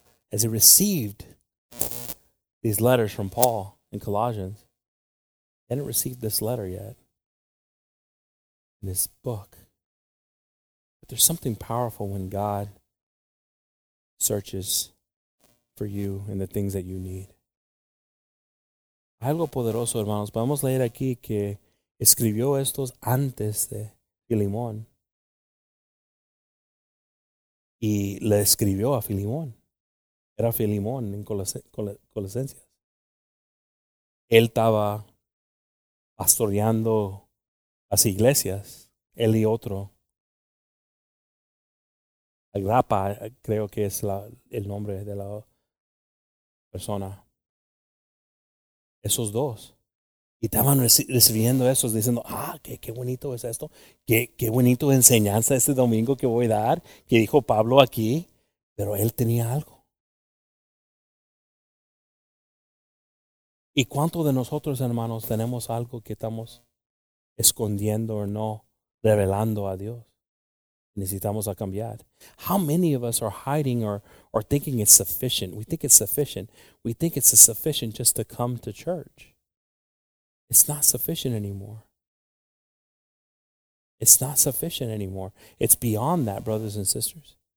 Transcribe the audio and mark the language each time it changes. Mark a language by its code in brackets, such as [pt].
[en] As he received these letters from Paul in Colossians, he hadn't received this letter yet in this book. But there's something powerful when God searches for you and the things that you need. [es] Algo poderoso, hermanos. Vamos a leer aquí que escribió estos antes de Filemón. Y le escribió a Filemón. Era Filemón en Colosenses. Él estaba pastoreando las iglesias, él y otro. Agrapa, creo que es el nombre de la persona. Esos dos. Y estaban recibiendo esos, diciendo, ah, qué bonito es esto. Qué bonito enseñanza este domingo que voy a dar, que dijo Pablo aquí. Pero él tenía algo. ¿Y cuántos de nosotros, hermanos, tenemos algo que estamos escondiendo o no revelando a Dios? Necesitamos a cambiar. [en] How many of us are hiding or thinking it's sufficient? We think it's sufficient. We think it's sufficient just to come to church. It's not sufficient anymore. It's not sufficient anymore. It's beyond that, brothers and sisters.